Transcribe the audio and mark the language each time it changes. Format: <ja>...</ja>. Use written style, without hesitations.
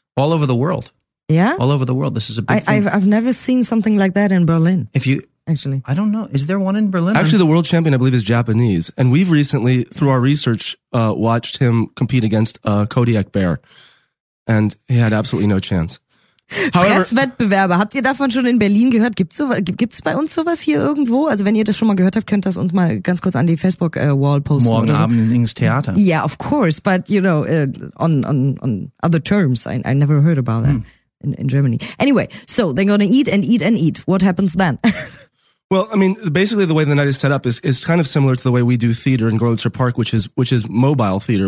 <en>All over the world. Yeah? All over the world. This is a big thing. I've never seen something like that in Berlin. If you... Actually. I don't know. Is there one in Berlin? Actually, the world champion, I believe, is Japanese. And we've recently, through our research, watched him compete against a Kodiak bear. And he had absolutely no chance.</en> <de>Presswettbewerber, habt ihr davon schon in Berlin gehört? Gibt's bei uns sowas hier irgendwo? Also wenn ihr das schon mal gehört habt, könnt das uns mal ganz kurz an die Facebook-Wall posten. Morgen oder Abend so. Ins Theater.</de> <en>Yeah, of course, but you know, on other terms, I never heard about that in Germany. Anyway, so they're gonna eat and eat and eat. What happens then? Well, I mean, basically the way the night is set up is kind of similar to the way we do theater in Görlitzer Park, which is mobile theater.</en>